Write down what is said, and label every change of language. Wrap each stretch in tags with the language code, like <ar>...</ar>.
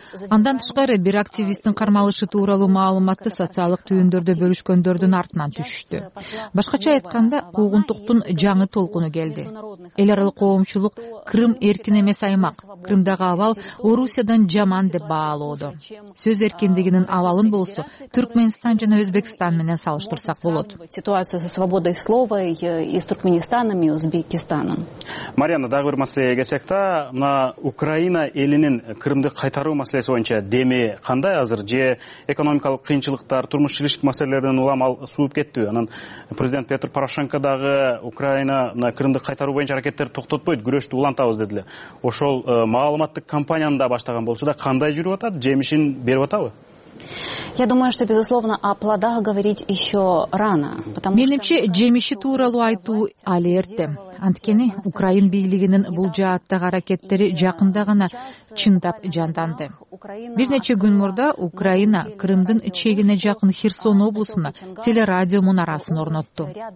<ky>Андан тышкары бир активисттин кармалышы тууралуу маалыматты социалдык түйүндөрдө бөлүшкөндөрдүн артынан түшүштү. Башкача айтканда, куугунтуктун жаңы толкуну келди. Эл аралык коомчулук Крым эркин эмес аймак, Крымдагы абал Орусиядан жаман деп баалоодо. Сөз эркиндигинин абалын болсо Түркмөнстан жана Өзбекстан менен салыштырсак болот.</ky> <ru>Ситуация со свободой слова и с Туркменистаном и Узбекистаном.</ru> <ky>Марьяна, дагы бир маселеге келсек да, мына Украина элинин Крымды кайтаруу маселеси боюнча деми кандай азыр? Же экономикалык кыйынчылыктар, турмуш тилишик маселелеринен улам ал сууп кеттиби? Анан президент Петр Порошенко дагы Украина мына Крымды кайтаруу боюнча аракеттерди токтотпойт, күрөштү улантабыз деди. Ошол маалыматтык кампанияны да баштаган болсо да, кандай жүрүп атат, жемишин берип атабы?</ky> <ru>Я думаю, что, безусловно, о плодах говорить еще рано.</ru> <ky>Менимче, жемиши тууралуу айтуу али эрте. Анткени Украин бийлигинин бул жааттагы аракеттери жакында гана чындап жанданды. Бир нече күн мурда Украина Крымдын чегине жакын Херсон облусуна телерадио мунарасын орнотту.</ky>